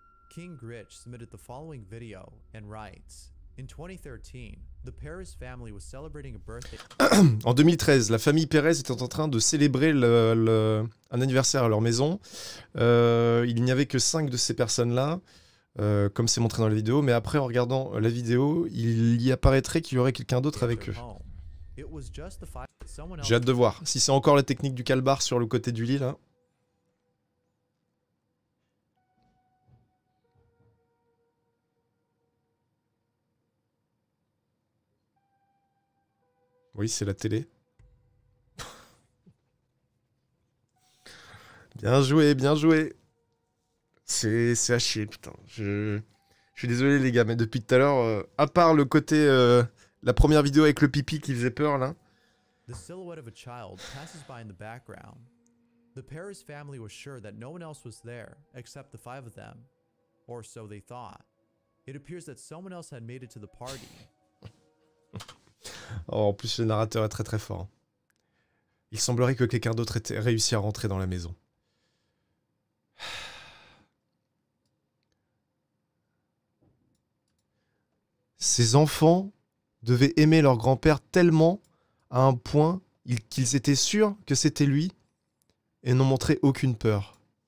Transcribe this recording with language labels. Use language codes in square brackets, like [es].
[en] King Gritch submitted the following video and writes... In 2013, the Perez family was celebrating a birthday. [fr] En 2013, la famille Perez était en train de célébrer un anniversaire à leur maison. Il n'y avait que 5 de ces personnes-là, comme c'est montré dans la vidéo. Mais après, en regardant la vidéo, il y apparaîtrait qu'il y aurait quelqu'un d'autre avec eux. J'ai hâte de voir si c'est encore la technique du calbar sur le côté du lit, là. Oui, c'est la télé. Bien joué. C'est à chier, putain. Je suis désolé, les gars, mais depuis tout à l'heure, à part le côté... la première vidéo avec le pipi qui faisait peur, là. [en] The silhouette of a child passes by in the background. The Paris family was sure that no one else was there, except the five of them. Or so they thought. It appears that someone else had made it to the party. [fr] Oh, en plus, le narrateur est très très fort. Il semblerait que quelqu'un d'autre ait réussi à rentrer dans la maison. Ces enfants devaient aimer leur grand-père tellement à un point qu'ils étaient sûrs que c'était lui et n'ont montré aucune peur.